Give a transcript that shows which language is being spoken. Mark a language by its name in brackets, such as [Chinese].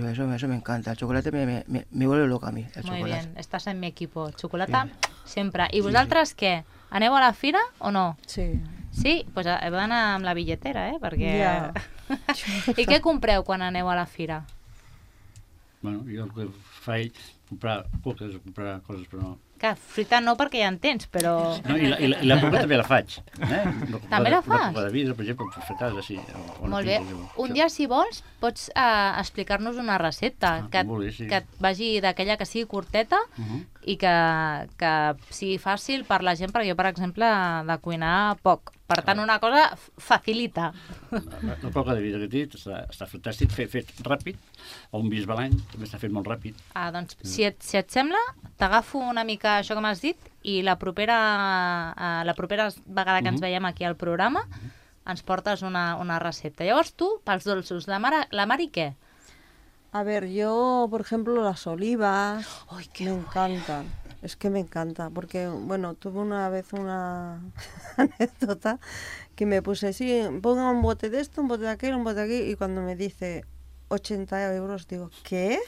[Spanish] Eso me encanta. El xocolata me vuelve loco a mí, el muy Muy bien, estàs en mi equipo. [Catalan] Xocolata, sí. Sempre. I sí, vosaltres, sí. Què? Aneu a la fira o no? Sí. Sí? Doncs pues heu d'anar amb la billetera, eh? Perquè... Ja. I què compreu quan aneu a la fira? Bueno, jo el que faig comprar coques, comprar coses, però no. Que fruita no, perquè ja en tens, però... No, i la coca també la faig. Eh? També la fas? La coca de vidre, per exemple, per fer casa, sí. Molt bé. Un dia, si vols, pots explicar-nos una recepta que vagi d'aquella que sigui curteta i que sigui fàcil per la gent, perquè jo, per exemple, de cuinar poc. Per tant, una cosa facilita. La coca de vidre que he dit està fantàstic, fet ràpid. O un bisbalany, també està fet molt ràpid. Ah, doncs, si et sembla, t'agafo una mica això que m'has dit i la propera vegada que ens veiem aquí al programa ens portes una recepta. Llavors, tu, pels dolços, la Mari què? [Spanish] A ver, yo, por ejemplo, las olivas. Ay, qué me encantan. Es que me encanta, porque, bueno, tuve una vez una anécdota que me puse así, ponga un bote de esto, un bote de aquello, un bote de aquí, y cuando me dice 80 euros, digo, ¿qué?